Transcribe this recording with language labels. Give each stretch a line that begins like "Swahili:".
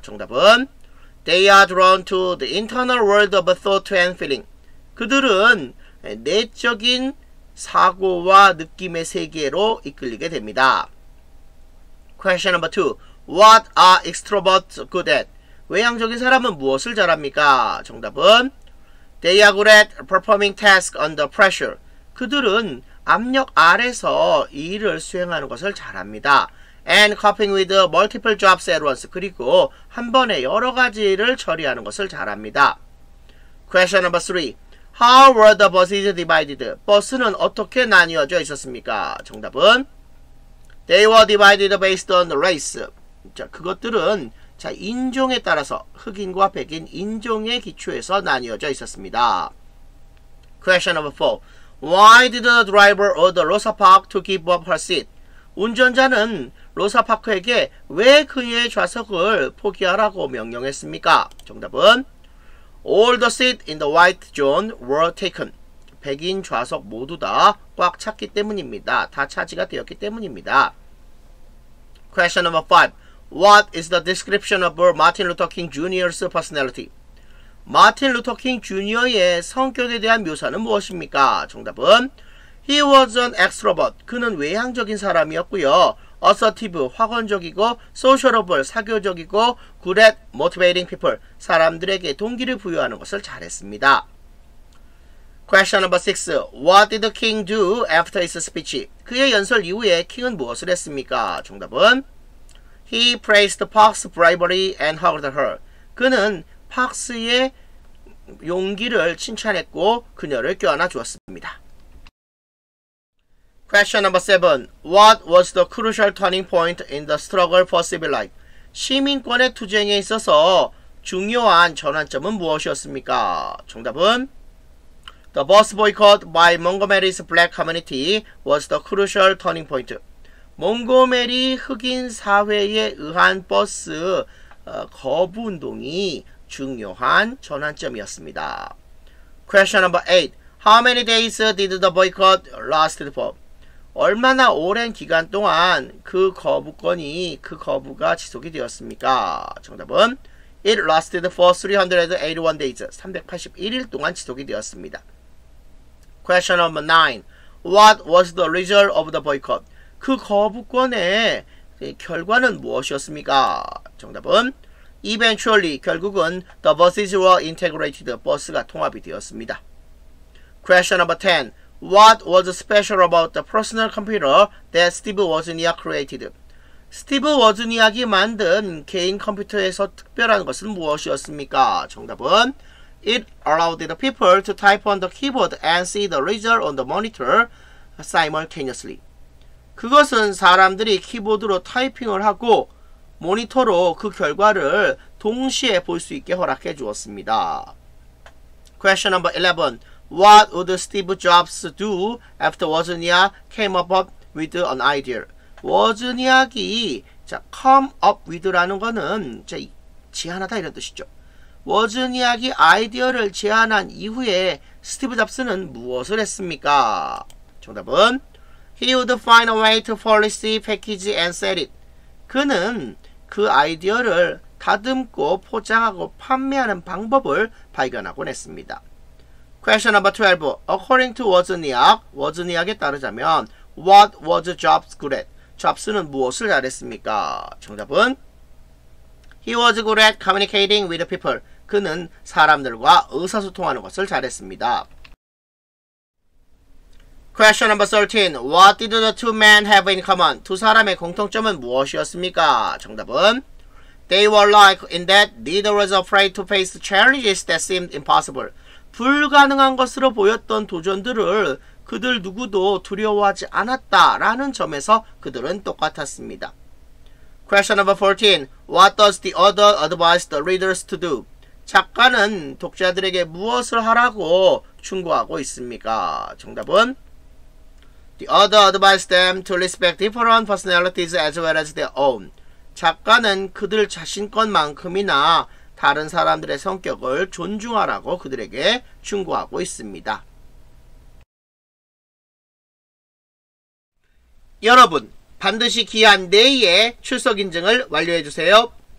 Korean: 정답은
English: They are drawn to the internal world of thought and feeling.
Korean: 그들은 내적인 사고와 느낌의 세계로 이끌리게 됩니다.
English: Question number 2. What are extroverts good at?
Korean: 외향적인 사람은 무엇을 잘합니까? 정답은
English: They are good at performing tasks under pressure.
Korean: 그들은 압력 아래서 일을 수행하는 것을 잘합니다.
English: And coping with multiple jobs at once.
Korean: 그리고 한 번에 여러 가지를 처리하는 것을 잘합니다.
English: Question number 3. How were the buses divided?
Korean: 버스는 어떻게 나뉘어져 있었습니까? 정답은
English: They were divided based on race.
Korean: 자, 그것들은 자, 인종에 따라서 흑인과 백인 인종의 기초에서 나뉘어져 있었습니다.
English: Question number 4. Why did the driver order Rosa Parks to give up her seat?
Korean: 운전자는 로사 파크에게 왜 그의 좌석을 포기하라고 명령했습니까? 정답은
English: All the seats in the white zone were taken.
Korean: 백인 좌석 모두 다 꽉 찼기 때문입니다. 다 차지가 되었기 때문입니다.
English: Question number 5. What is the description of Martin Luther King Jr.'s personality?
Korean: Martin Luther King Jr.의 성격에 대한 묘사는 무엇입니까? 정답은
English: He was an extrovert.
Korean: 그는 외향적인 사람이었고요.
English: Assertive,
Korean: 확언적이고,
English: sociable,
Korean: 사교적이고,
English: good at motivating people.
Korean: 사람들에게 동기를 부여하는 것을 잘했습니다.
English: Question number 6. What did King do after his speech?
Korean: 그의 연설 이후에 King은 무엇을 했습니까? 정답은
English: He praised Parks' bravery and hugged her.
Korean: 그는 Parks의 용기를 칭찬했고 그녀를 껴안아 주었습니다.
English: Question number 7. What was the crucial turning point in the struggle for civil rights?
Korean: 시민권의 투쟁에 있어서 중요한 전환점은 무엇이었습니까? 정답은
English: The bus boycott by Montgomery's black community was the crucial turning point.
Korean: 몽고메리 흑인 사회에 의한 버스 거부 운동이 중요한 전환점이었습니다.
English: Question number 8. How many days did the boycott last for?
Korean: 얼마나 오랜 기간 동안 그 거부가 지속이 되었습니까? 정답은
English: It lasted for 381 days.
Korean: 381일 동안 지속이 되었습니다.
English: Question number 9. What was the result of the boycott?
Korean: 그 거부권의 결과는 무엇이었습니까? 정답은
English: Eventually,
Korean: 결국은
English: The buses were integrated.
Korean: 버스가 통합이 되었습니다.
English: Question number 10. What was special about the personal computer that Steve Wozniak created?
Korean: Steve Wozniak이 만든 개인 컴퓨터에서 특별한 것은 무엇이었습니까? 정답은
English: It allowed the people to type on the keyboard and see the result on the monitor simultaneously.
Korean: 그것은 사람들이 키보드로 타이핑을 하고 모니터로 그 결과를 동시에 볼 수 있게 허락해 주었습니다.
English: Question number 11. What would Steve Jobs do after Wozniak came up with an idea?
Korean: Wozniak이
English: come up with
Korean: 라는 거는 제안하다 이런 뜻이죠. Wozniak이 아이디어를 제안한 이후에 스티브 잡스는 무엇을 했습니까? 정답은
English: He would find a way to policy package and sell it.
Korean: 그는 그 아이디어를 다듬고 포장하고 판매하는 방법을 발견하곤 했습니다.
English: Question number 12. According to Wozniak,
Korean: Wozniak에 따르자면
English: What was Jobs good at?
Korean: Jobs는 무엇을 잘했습니까? 정답은
English: He was good at communicating with people.
Korean: 그는 사람들과 의사소통하는 것을 잘했습니다.
English: Question number 13. What did the two men have in common?
Korean: 두 사람의 공통점은 무엇이었습니까? 정답은
English: They were like in that neither was afraid to face challenges that seemed impossible.
Korean: 불가능한 것으로 보였던 도전들을 그들 누구도 두려워하지 않았다라는 점에서 그들은 똑같았습니다.
English: Question number 14. What does the author advise the readers to do?
Korean: 작가는 독자들에게 무엇을 하라고 충고하고 있습니까? 정답은
English: The author advised them to respect different personalities as well as their own.
Korean: 작가는 그들 자신 것만큼이나 다른 사람들의 성격을 존중하라고 그들에게 충고하고 있습니다. 여러분, 반드시 기한 내에 출석 인증을 완료해 주세요.